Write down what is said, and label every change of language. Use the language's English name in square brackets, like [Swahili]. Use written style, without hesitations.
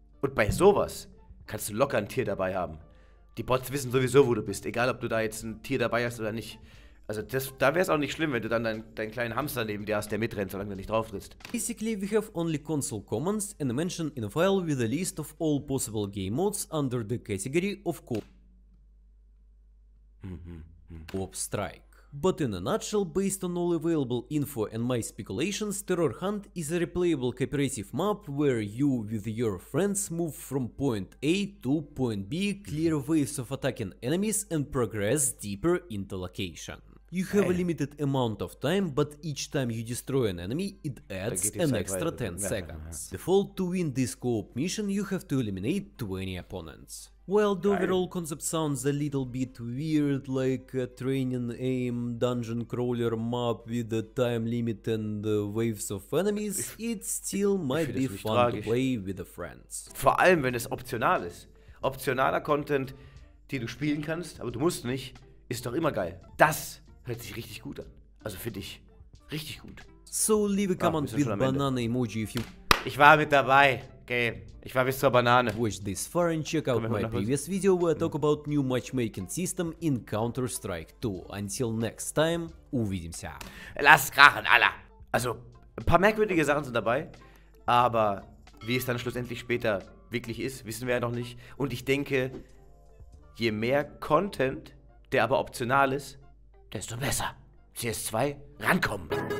[German] Und bei sowas kannst du locker ein Tier dabei haben. Die Bots wissen sowieso, wo du bist, egal ob du da jetzt ein Tier dabei hast oder nicht. Also da wäre es auch nicht schlimm, wenn du dann deinen kleinen Hamster neben dir hast, der mitrennt, solange du nicht drauf trittst. [English] Basically, we have only console commands and a mention in a file with a list of all possible game modes under the category of Co-op Strike. But in a nutshell, based on all available info and my speculations, Terror Hunt is a replayable cooperative map where you with your friends move from point A to point B, clear waves of attacking enemies and progress deeper into location. You have a limited amount of time, but each time you destroy an enemy, it adds an extra 10 seconds. Default, to win this co-op mission, you have to eliminate 20 opponents. Well, the overall concept sounds a little bit weird, like a training aim dungeon crawler map with a time limit and waves of enemies. It still might be fun to play with the friends. [German] Vor allem, wenn es optional ist. Optionaler Content, den du spielen kannst, aber du musst nicht, ist doch immer geil. Das hört sich richtig gut an. Also finde ich richtig gut. [English] So, leave a comment with banana emoji if you... [German] Ich war mit dabei. Okay, ich war bis zur Banane. [English] Watch this far and check out my previous video where I talk about new matchmaking system in Counter-Strike 2. Until next time, [Russian] увидимся. [German] Lass krachen, Alter. Also, ein paar merkwürdige Sachen sind dabei, aber wie es dann schlussendlich später wirklich ist, wissen wir ja noch nicht. Und ich denke, je mehr Content, der aber optional ist, desto besser. CS2, rankommen.